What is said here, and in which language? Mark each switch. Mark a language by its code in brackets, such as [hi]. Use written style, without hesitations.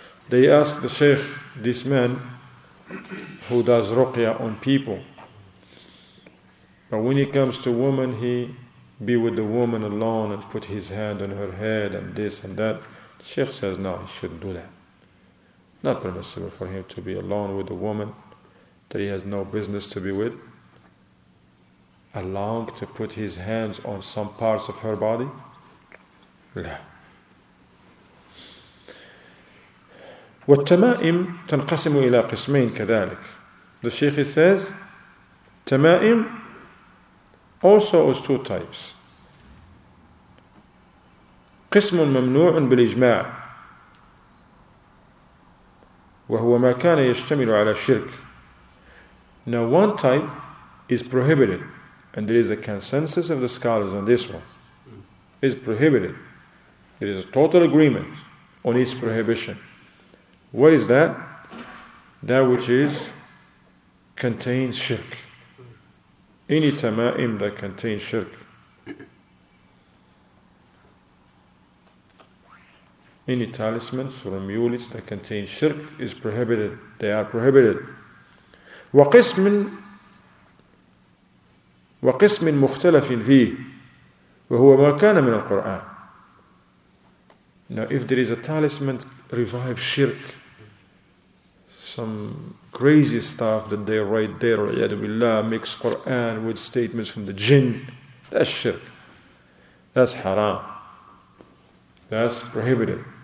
[en] They asked the Shaykh, this man who does ruqya on people, but when he comes to woman, he be with the woman alone and put his hand on her head and this and that. The Shaykh says, no, he shouldn't do that. not permissible for him to be alone with a woman that he has no business to be with, allowing to put his hands on some parts of her body. [ar] لا. والتمائم تنقسم إلى قسمين كذلك. [en] The Sheikh says, تمائم also has two types. [ar] قسم ممنوع بالإجماع وهو ما كان يشتمل على الشرك. [en] Now one type is prohibited, and there is a consensus of the scholars on this one. It's prohibited. There is a total agreement on its prohibition. What is that? That which is contains shirk. Any tama'im that contains shirk. Any talismans or amulets that contain shirk is prohibited. They are prohibited. [ar] وقسم مختلف فيه وهو ما كان من القرآن. [en] Now if there is a talisman revive shirk, some crazy stuff that they write there, [ar] يَعْدُ بِاللَّهِ, [en] mix Qur'an with statements from the jinn, that's shirk. That's haram. That's prohibited.